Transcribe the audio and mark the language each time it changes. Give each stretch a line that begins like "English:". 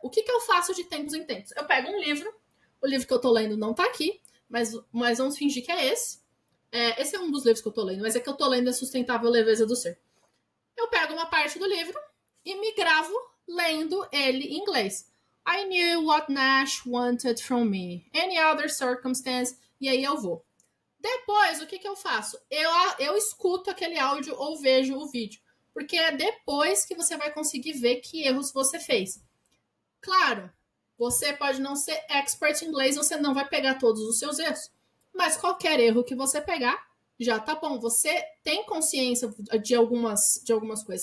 Portuguese: O que que eu faço de tempos em tempos? Eu pego um livro, o livro que eu tô lendo não tá aqui, mas vamos fingir que é esse. Esse é um dos livros que eu tô lendo, mas é que eu tô lendo A Sustentável Leveza do Ser. Eu pego uma parte do livro e me gravo lendo ele em inglês.
English: I knew what Nash wanted from me. Any other circumstance.
Portuguese: E aí eu vou. Depois, o que que eu faço? Eu escuto aquele áudio ou vejo o vídeo. Porque é depois que você vai conseguir ver que erros você fez. Claro, você pode não ser expert em inglês, você não vai pegar todos os seus erros. Mas qualquer erro que você pegar, já tá bom. Você tem consciência de algumas coisas.